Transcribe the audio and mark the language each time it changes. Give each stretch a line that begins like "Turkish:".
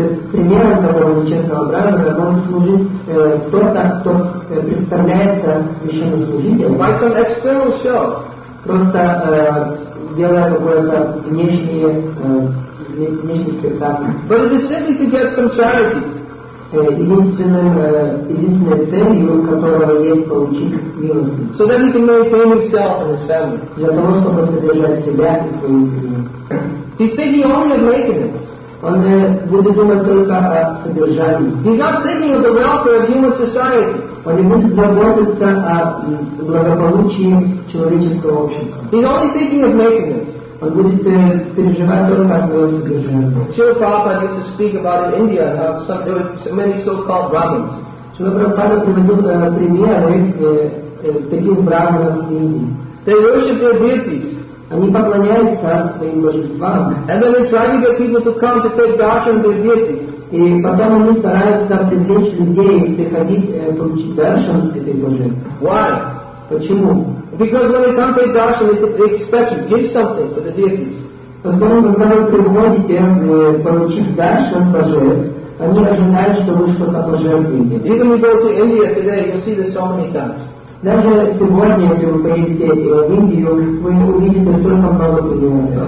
Russian: Примером такого нечестного брахмана может служить кто-то, кто представляется священнослужителем.
English: By some external show.
Russian: Просто делая какое-то внешнее спектакль.
English: But it is simply to get some charity.
Russian: Единственной целью которого есть получить милость.
English: So that he can maintain himself and his family.
Russian: Для того, чтобы содержать себя и свою семью.
English: He's thinking only of maintenance.
Russian: Он будет думать только о содержании.
English: He's not thinking of the welfare of human society.
Russian: Он не будет заботиться о благополучии человеческого общества.
English: He's only thinking of making it.
Russian: Он будет переживать только о своем содержании.
English: Srila Prabhupada used to speak about in India how there were so many so-called brahmins.
Russian: Srila Prabhupada приводил примеры таких брахманов в Индии.
English: They worship their deities.
Russian: Они поклоняются своим божествам.
English: And then they try to get people to come to take darshan of their deities.
Russian: И потом они стараются привлечь людей приходить получить даршан этой божествы.
English: Why?
Russian: Почему?
English: Because when they come to take darshan, they expect to give something for the deities.
Russian: Поскольку когда вы приходите получить даршан божеств, они ожидают, что вы что-то пожертвуете.
English: Even if you go to India today, you see this so many times.
Russian: Даже сегодня, если вы поедете в Индию, вы увидите столько много примеров.